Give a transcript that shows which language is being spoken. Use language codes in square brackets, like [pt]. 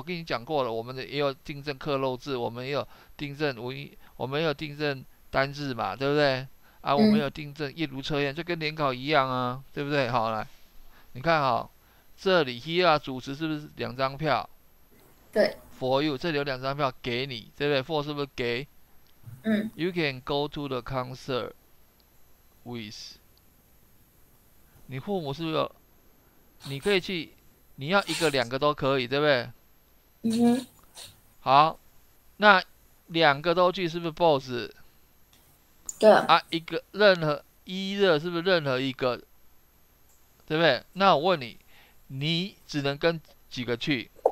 [zh] 我跟你讲过了，我们的也有订正刻漏字，我们也有订正文，我们也有订正单字嘛，对不对？啊，我们有订正阅读测验，就跟联考一样啊，对不对？好，来，你看好，这里 here 主词是不是两张票？ [en] For you， [zh] 这里有两张票给你，对不对？For 是不是给？ [en] You can go to the concert with [zh] 你父母是不是有？你可以去，你要一个两个都可以，对不对？好，那两个都去是不是 both？啊，一个任何一的，是不是任何一个？对不对？那我问你，你只能跟几个去？